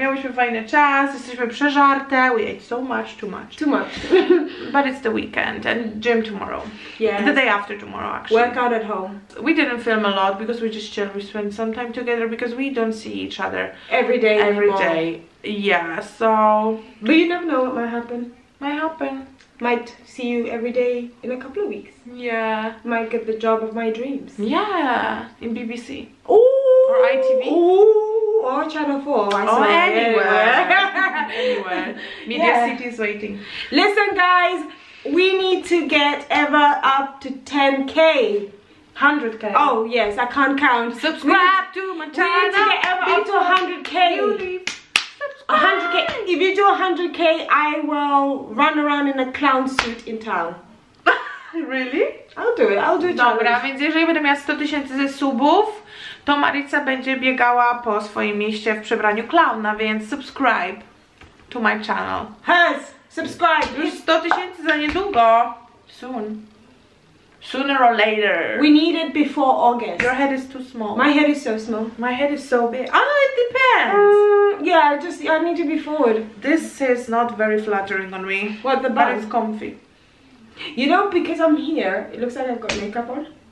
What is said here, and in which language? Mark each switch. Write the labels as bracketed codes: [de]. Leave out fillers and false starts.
[pl] Miałyśmy fajny czas, jesteśmy przeżarte. [en] We ate so much, too much. Too much. But it's the weekend and gym tomorrow. Yeah. The day after tomorrow, actually. Workout at home. We didn't film a lot because we just chill. We spend some time together because we don't see each other. Every day every anymore. Day. Yeah, so... But you never know what might happen. Might happen. Might see you every day in a couple of weeks. Yeah. Might get the job of my dreams. Yeah. In BBC. Ooh. Or ITV. Ooh. Or Channel 4. Or anywhere. Anywhere. Media yeah. City is waiting. Listen, guys. We need to get Eva up to 10K. 100K. Oh, yes. I can't count. Subscribe to my channel. We need to get Eva up to 100K. Beauty. 100k. If you do 100k, I will run around in a clown suit in town. Really? I'll do it. [pl] Dobra, więc jeżeli będę miała 100 tysięcy ze subów, to Marica będzie biegała po swoim mieście w przebraniu clowna, więc [en] subscribe to my channel. Yes, subscribe. [pl] Już 100 tysięcy za niedługo. [en] Soon. Sooner or later. We need it before August. Your head is too small. My head is so small. My head is so big. Oh, it depends. Yeah, I need to be forward. This is not very flattering on me. What, the bun? But it's comfy. You know, because I'm here, it looks like I've got makeup on.